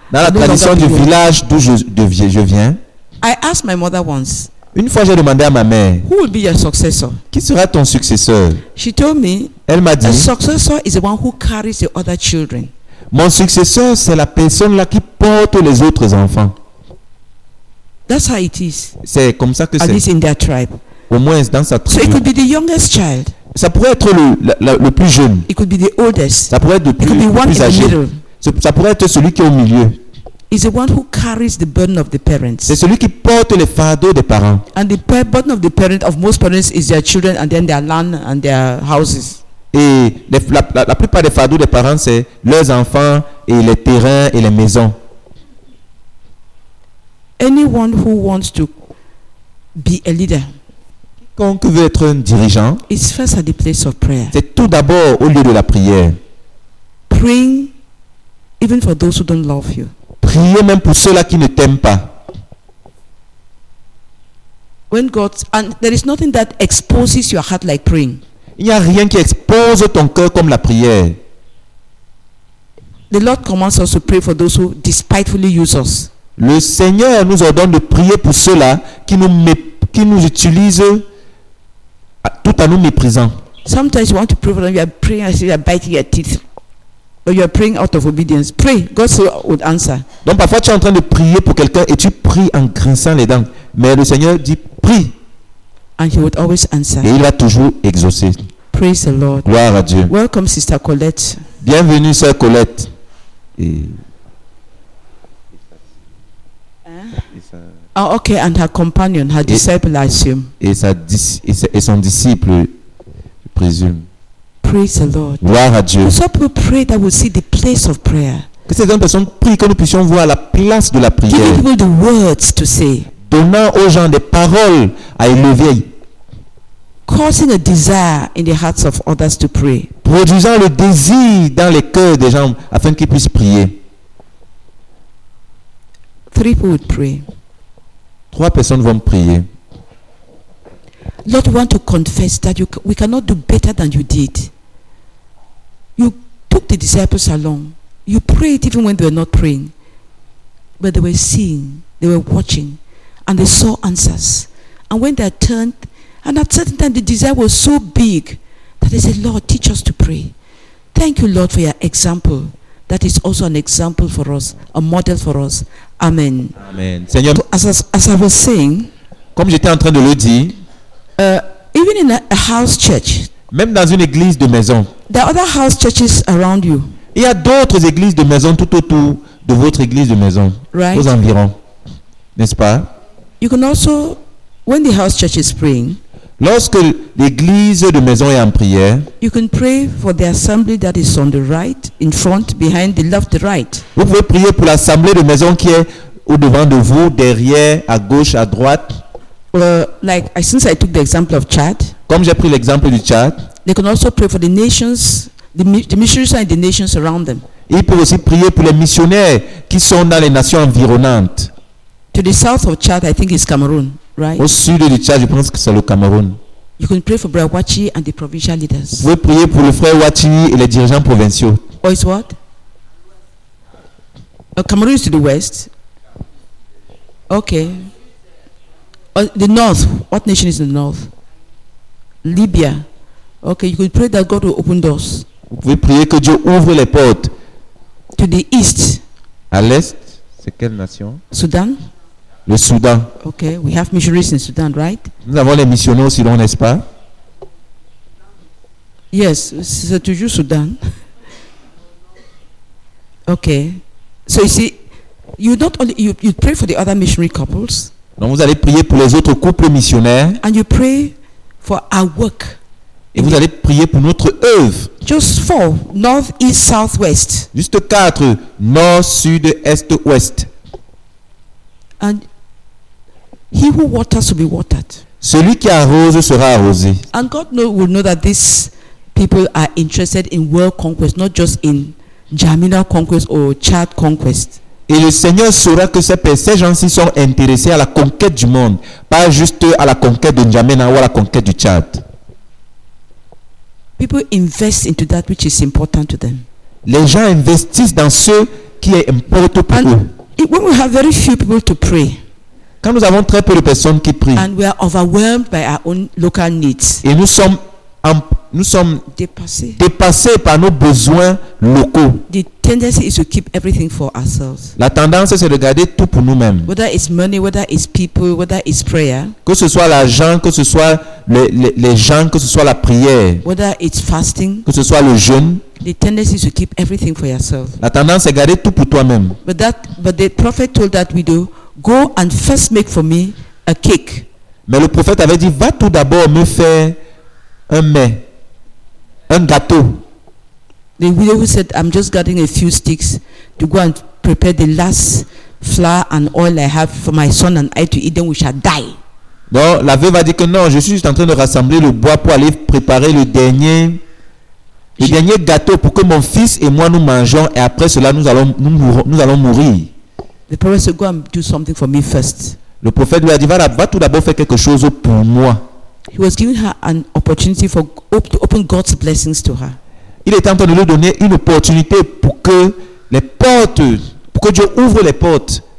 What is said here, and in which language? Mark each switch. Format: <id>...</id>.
<fr>dans la tradition du village d'où je viens,</fr> <en>I asked my mother once.</en> <fr>Une fois, j'ai demandé à ma mère.</fr> <en>Who will be your successor?</en> <fr>Qui sera ton successeur?</fr> <en>She told me.</en> <fr>Elle m'a dit.</fr> <en>A successor is the one who carries the other children.</en> <fr>Mon successeur, c'est la personne là qui porte les autres enfants.</fr> <en>That's how it is.</en> <fr>C'est comme ça que</fr> <en>At At least in their tribe.</en> <fr>Au moins dans sa tribu.</fr> <en>So it could be the youngest child.</en> <fr>Ça pourrait être le plus jeune.</fr> <en>It could be the oldest.</en> <fr>Ça pourrait être le plus âgé. Ça pourrait être celui qui est au milieu.</fr> <en>Is the one who carries the burden of the parents.</en> <fr>C'est celui qui porte le fardeau des parents.</fr> <en>And the burden of the parent of most parents is their children and then their land and their houses.</en> <fr>Et la plupart des fardeaux des parents c'est leurs enfants et les terrains et les maisons.</fr> <en>Anyone who wants to be a leader.</en> <fr>Quiconque veut être un dirigeant.</fr> <en>Is first at the place of prayer.</en> <fr>C'est tout d'abord au lieu de la prière.</fr> <en>Praying even for those who don't love you.</en> <fr>Priez même pour ceux-là qui ne t'aiment pas.</fr> <en>When God and there is nothing that exposes your heart like praying.</en> <fr>Il n'y a rien qui expose ton cœur comme la prière.</fr> <en>The Lord commands us to pray for those who despitefully use us.</en> <fr>Le Seigneur nous ordonne de prier pour ceux-là qui nous utilisent tout en nous méprisant.</fr> <en>Sometimes you want to pray for them, you are praying as if you are biting your teeth. But you are praying out of obedience. Pray, God would answer.</en> <fr>Donc parfois tu es en train de prier pour quelqu'un et tu pries en grinçant les dents. Mais le Seigneur dit prie.</fr> <en>And he would always answer.</en> <fr>Et il va toujours exaucer.</fr> <en>Praise the Lord.</en> <fr>Gloire à Dieu.</fr> <en>Welcome, Sister Colette.</en> <fr>Bienvenue, Sœur Colette. Et... Hein?</fr> <en>Oh, okay, and her companion, her disciple, I assume.</en> <fr>Et son disciple, je présume.</fr> <en>Praise the Lord.</en> <fr>Gloire à Dieu.</fr> <en>So we pray that we see the place of prayer.</en> <fr>Que ces personnes prient que nous puissions voir la place de la prière.</fr> <en>Give people the words to say.</en> <fr>Donnant aux gens des paroles à élever.</fr> <en>Causing a desire in the hearts of others to pray.</en> <fr>Produisant le désir dans les cœurs des gens afin qu'ils puissent prier.</fr> <en>Three people would pray.</en> <fr>Trois personnes vont prier.</fr> <en>Lord, we want to confess that we cannot do better than you did. You took the disciples along. You prayed even when they were not praying. But they were seeing, they were watching, and they saw answers. And when they turned, and at certain time the desire was so big that they said, Lord, teach us to pray. Thank you, Lord, for your example. That is also an example for us, a model for us. Amen.</en> <fr>Amen. Seigneur,</fr> <en>as I was saying,</en> <fr>comme j'étais en train de le dire,</fr> <en>Even in a house church,</en> <fr>même dans une église de maison,</fr> <en>there are other house churches around you.</en> <fr>Il y a d'autres églises de maison tout autour de votre église de maison,</fr> <en>right?</en> <fr>Aux environs, n'est-ce pas?</fr> <en>You can also, when the house church is praying,</en> <fr>lorsque l'église de maison est en prière,</fr> <en>you can pray for the assembly that is on the right, in front, behind, the left, the right.</en> <fr>Vous pouvez prier pour l'assemblée de maison qui est au devant de vous, derrière, à gauche, à droite.</fr> <en>Since I took the example of Chad,</en> <fr>comme j'ai pris l'exemple du Chad,</fr> <en>they can also pray for the nations, the missionaries and the nations around them.</en> <fr>Ils peuvent aussi prier pour les missionnaires qui sont dans les nations environnantes.</fr> <en>To to the south of Chad, I think it's Cameroon, right?</en> <fr>Au sud du Tchad, je pense que c'est le Cameroun.</fr> <en>You can pray for Brother Wachi and the provincial leaders.</en> <fr>Vous pouvez prier pour le frère Wachi et les dirigeants provinciaux.</fr> <en>Or is what? Cameroon is to the west. Okay. The north. What nation is in the north? Libya. Okay, you could pray that God will open doors.</en> <fr>Vous pouvez prier que Dieu ouvre les portes.</fr> <en>To the east.</en> <fr>À l'est, c'est quelle nation?</fr> <en>Sudan.</en> <fr>Le Soudan.</fr> <en>Okay, we have missionaries in Sudan, right?</en> <fr>Nous avons les missionnaires au Soudan, n'est-ce pas?</fr> <en>Yes,</en> <fr>c'est toujours Sudan.</fr> <en>Okay. So you see, you not only you pray for the other missionary couples.</en> <fr>Donc vous allez prier pour les autres couples missionnaires.</fr> <en>And you pray for our work.</en> <fr>Et vous allez prier pour notre œuvre.</fr> <en>Just four, north, east, south, west.</en> <fr>Juste quatre, nord, sud, est, ouest.</fr> <en>And he who waters will be watered.</en> <fr>Celui qui arrose sera arrosé.</fr> <en>And God will know that these people are interested in world conquest, not just in Germinal conquest or Chad conquest.</en> <fr>Et le Seigneur saura que ces gens-ci sont intéressés à la conquête du monde, pas juste à la conquête de N'Djamena ou à la conquête du Tchad.</fr> <en>People invest into that which is important to them.</en> <fr>Les gens investissent dans ce qui est important pour</fr> <en>and</en> <fr>eux.</fr> <en>When we have very few people to pray,</en> <fr>quand nous avons très peu de personnes qui prient,</fr> <en>and we are overwhelmed by our own local needs,</en> <fr>et nous sommes dépassés par nos besoins locaux.</fr> <en>The tendency is to keep everything for ourselves.</en> <fr>La tendance c'est de garder tout pour nous-mêmes.</fr> <en>Whether it's money, whether it's people, whether it's prayer.</en> <fr>Que ce soit l'argent, que ce soit les gens, que ce soit la prière.</fr> <en>Whether it's fasting.</en> <fr>Que ce soit le jeûne.</fr> <en>The tendency is to keep everything for yourself.</en> <fr>La tendance est de garder tout pour toi-même.</fr> <en>But the prophet told that widow, go and first make for me a cake.</en> <fr>Mais le prophète avait dit, va tout d'abord me faire un mets, un gâteau.</fr> <en>The widow who said, I'm just gathering a few sticks to go and prepare the last flour and oil I have for my son and I to eat, then we shall die.</en> <fr>Donc, la veuve a dit que non, je suis juste en train de rassembler le bois pour aller préparer le dernier gâteau pour que mon fils et moi nous mangeons et après cela nous allons mourir.</fr> <en>The prophet said, go and do something for me first.</en> <fr>Le prophète lui a dit, va tout d'abord faire quelque chose pour moi.</fr> <en>He was giving her an opportunity to open God's blessings to her.</en> <fr>Il est en train de lui donner une opportunité pour que Dieu ouvre les portes.</fr>